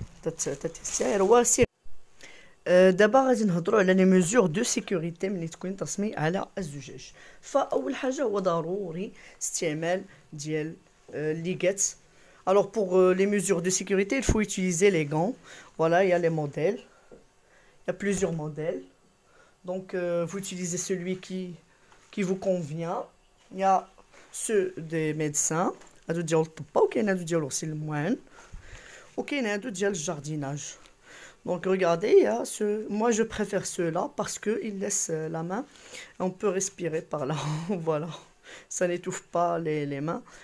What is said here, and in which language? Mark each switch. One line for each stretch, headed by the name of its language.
Arabic: تتسير واسير. دابا غادي نهضروا على
French: لي ميزور دو سيكوريتي
Arabic: ملي تكوني ترسمي على الزجاج. فاول حاجه هو ضروري استعمال ديال ليغات.
French: الوغ بوغ لي ميزور دو سيكوريتي il faut utiliser les gants. voilà il y a les modèles, il y a plusieurs modèles, donc vous utilisez celui qui vous convient. il y a ceux des médecins,
Arabic: هادو ديال الطب وكاين هادو ديال غسيل الموان وكاين هادو ديال الجارديناج.
French: Donc regardez, moi je préfère ceux-là parce qu'il laisse la main, on peut respirer par là, voilà, ça n'étouffe pas les mains.